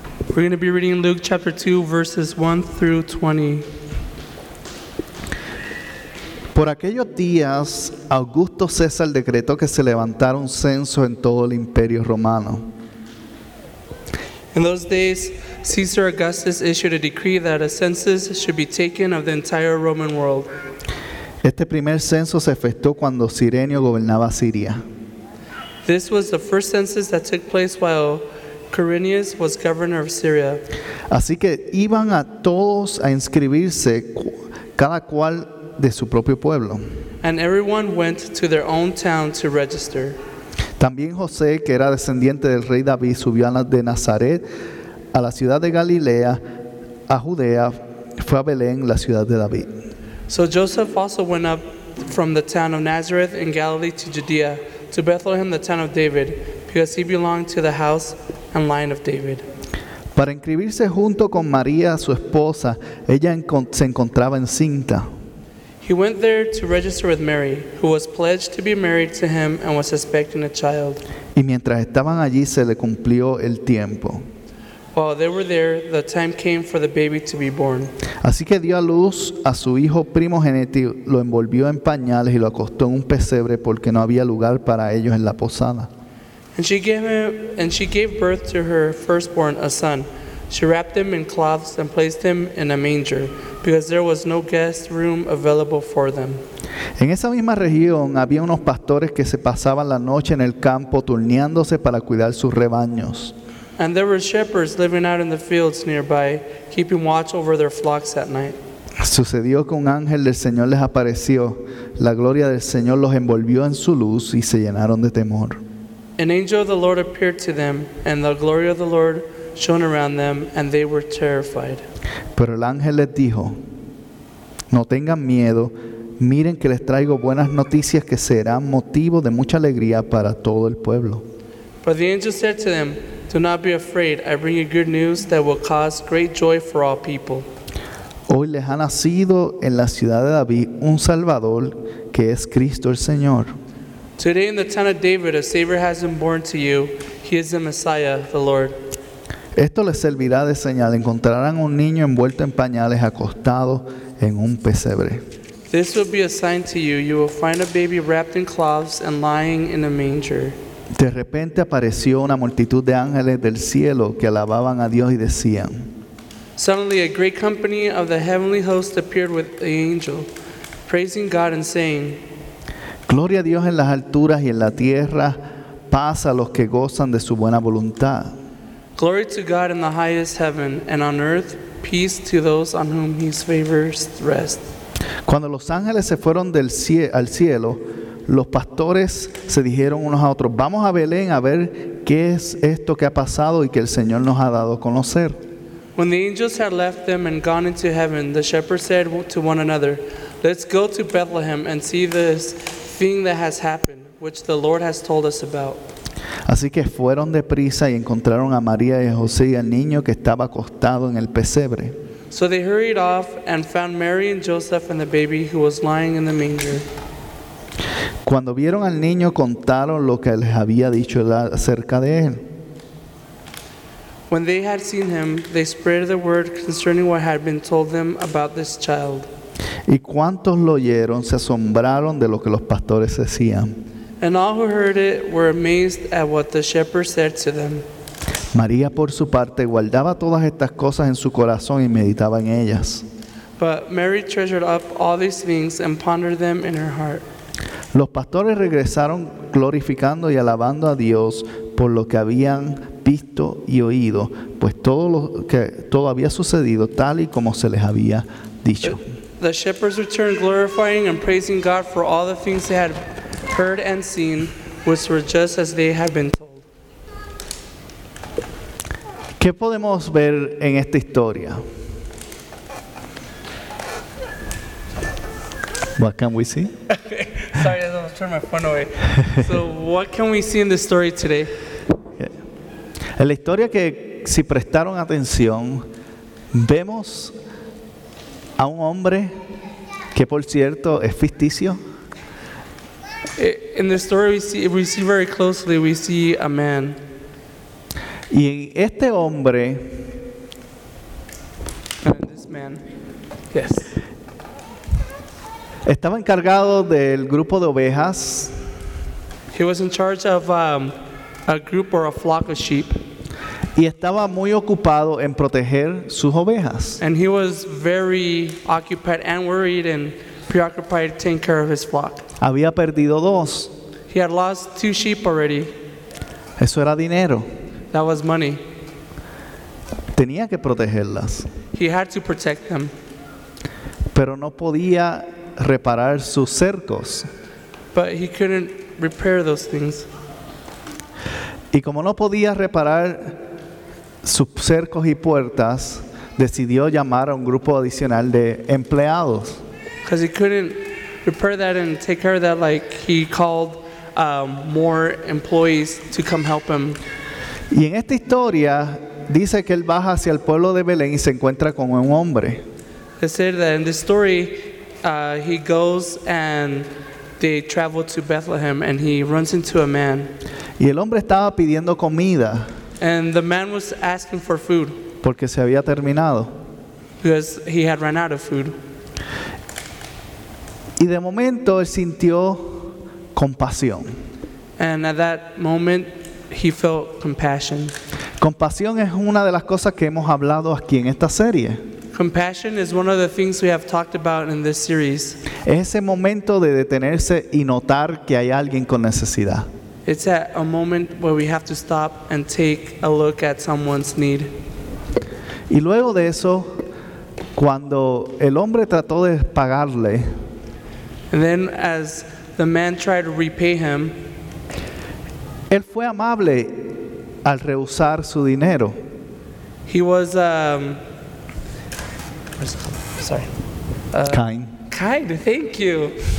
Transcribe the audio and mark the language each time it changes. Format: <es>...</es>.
<en>We're going to be reading Luke chapter 2, verses 1 through 20.</en> <es>Por aquellos días, Augusto César decretó que se levantara un censo en todo el Imperio Romano.</es> <en>In those days, Caesar Augustus issued a decree that a census should be taken of the entire Roman world.</en> <es>Este primer censo se efectuó cuando Cirenio gobernaba Siria.</es> <en>This was the first census that took place while Quirinius was governor of Syria.</en> <es>Así que iban a todos a inscribirse, cada cual de su propio pueblo.</es> <en>And everyone went to their own town to register.</en> <es>También José, que era descendiente del rey David, subió de Nazaret a la ciudad de Galilea, a Judea, fue a Belén, la ciudad de David.</es> <en>So Joseph also went up from the town of Nazareth in Galilee to Judea, to Bethlehem, the town of David, because he belonged to the house and line of David.</en> <es>Para inscribirse junto con María, su esposa, ella se encontraba encinta.</es> <en>He went there to register with Mary, who was pledged to be married to him and was expecting a child.</en> <es>Y mientras estaban allí, se le cumplió el tiempo.</es> <en>While they were there, the time came for the baby to be born.</en> <es>Así que dio a luz a su hijo primogénito, lo envolvió en pañales y lo acostó en un pesebre porque no había lugar para ellos en la posada.</es> <en>And she gave birth to her firstborn, a son. She wrapped him in cloths and placed him in a manger, because there was no guest room available for them.</en> <es>En esa misma región había unos pastores que se pasaban la noche en el campo turneándose para cuidar sus rebaños.</es> <en>And there were shepherds living out in the fields nearby, keeping watch over their flocks at night.</en> <es>Sucedió que un ángel del Señor les apareció. La gloria del Señor los envolvió en su luz y se llenaron de temor.</es> <en>An angel of the Lord appeared to them, and the glory of the Lord shone around them, and they were terrified.</en> <es>Pero el ángel les dijo, no tengan miedo, miren que les traigo buenas noticias que serán motivo de mucha alegría para todo el pueblo.</es> <en>But the angel said to them, do not be afraid, I bring you good news that will cause great joy for all people.</en> <es>Hoy les ha nacido en la ciudad de David un Salvador que es Cristo el Señor.</es> <en>Today in the town of David a Savior has been born to you, he is the Messiah, the Lord.</en> <es>Esto les servirá de señal. Encontrarán un niño envuelto en pañales acostado en un pesebre.</es> <en>This will be a sign to you. You will find a baby wrapped in cloths and lying in a manger.</en> <es>De repente apareció una multitud de ángeles del cielo que alababan a Dios y decían.</es> <en>Suddenly a great company of the heavenly host appeared with the angel, praising God and saying,</en> <es>gloria a Dios en las alturas y en la tierra, paz a los que gozan de su buena voluntad.</es> <en>Glory to God in the highest heaven, and on earth, peace to those on whom his favor rests.</en> <es>Cuando los ángeles se fueron al cielo, los pastores se dijeron unos a otros, vamos a Belén a ver qué es esto que ha pasado y que el Señor nos ha dado a conocer.</es> <en>When the angels had left them and gone into heaven, the shepherds said to one another, let's go to Bethlehem and see this thing that has happened, which the Lord has told us about.</en> <es>Así que fueron de prisa y encontraron a María y a José y al niño que estaba acostado en el pesebre.</es> <en>So they hurried off and found Mary and Joseph and the baby who was lying in the manger.</en> <es>Cuando vieron al niño, contaron lo que les había dicho acerca de él.</es> <en>When they had seen him, they spread the word concerning what had been told them about this child.</en> <es>Y cuantos lo oyeron, se asombraron de lo que los pastores decían.</es> <en>And all who heard it were amazed at what the shepherds said to them.</en> <es>María, por su parte, guardaba todas estas cosas en su corazón y meditaba en ellas.</es> <en>But Mary treasured up all these things and pondered them in her heart.</en> <es>Los pastores regresaron glorificando y alabando a Dios por lo que habían visto y oído, pues todo había sucedido tal y como se les había dicho.</es> <en>The shepherds returned glorifying and praising God for all the things they had heard and seen, which were just as they had been told.</en> <es>¿Qué podemos ver en esta historia?</es> <en>What can we see? Sorry, I was turning my phone away. So, what can we see in the story today?</en> <es>En la historia que, si prestaron atención, vemos a un hombre que, por cierto, es ficticio.</es> <en>In the story we see very closely, we see a man.</en> <es>Y este hombre,</es> <en>and this man, yes,</en> <es>estaba encargado del grupo de ovejas.</es> <en>He was in charge of a group or a flock of sheep.</en> <es>Y estaba muy ocupado en proteger sus ovejas.</es> <en>And he was very occupied and worried and preoccupied taking care of his flock.</en> <es>Había perdido dos.</es> <en>He had lost two sheep already.</en> <es>Eso era dinero.</es> <en>That was money.</en> <es>Tenía que protegerlas.</es> <en>He had to protect them.</en> <es>Pero no podía reparar sus cercos.</es> <en>But he couldn't repair those things.</en> <es>Y como no podía reparar sus cercos y puertas, decidió llamar a un grupo adicional de empleados.</es> <en>Because he couldn't repair that and take care of that, like he called more employees to come help him.</en> <es>Y en esta historia dice que él baja hacia el pueblo de Belén y se encuentra con un hombre.</es> <en>It said that in this story, he goes and they travel to Bethlehem and he runs into a man.</en> <es>Y el hombre estaba pidiendo comida.</es> <en>And the man was asking for food.</en> <es>Porque se había terminado.</es> <en>Because he had run out of food.</en> <es>Y de momento él sintió compasión.</es> <en>And at that moment he felt compassion.</en> <es>Compasión es una de las cosas que hemos hablado aquí en esta serie.</es> <en>Compassion is one of the things we have talked about in this series.</en> <es>Es ese momento de detenerse y notar que hay alguien con necesidad.</es> <en>It's at a moment where we have to stop and take a look at someone's need.</en> <es>Y luego de eso, cuando el hombre trató de pagarle,</es> <en>and then as the man tried to repay him,</en> <es>él fue amable al rehusar su dinero.</es> <en>He was kind. Kind, thank you.</en>